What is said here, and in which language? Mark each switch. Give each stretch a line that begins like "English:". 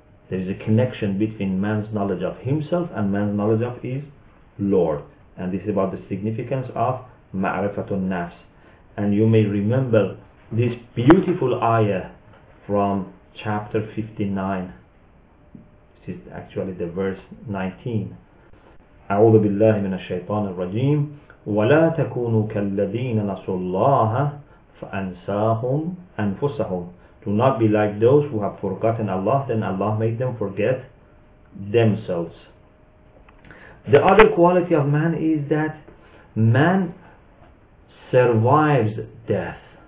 English: There is a connection between man's knowledge of himself and man's knowledge of his Lord. And this is about the significance of Ma'rifatun Nafs. And you may remember this beautiful ayah from chapter 59. This is actually the verse 19.
Arabic: أعوذ بالله من الشيطان الرجيم ولا تكونوا كالذين نسوا الله فأنساهم أنفسهم.
English: Do not be like those who have forgotten Allah, then Allah made them forget themselves. The other quality of man is that man survives death.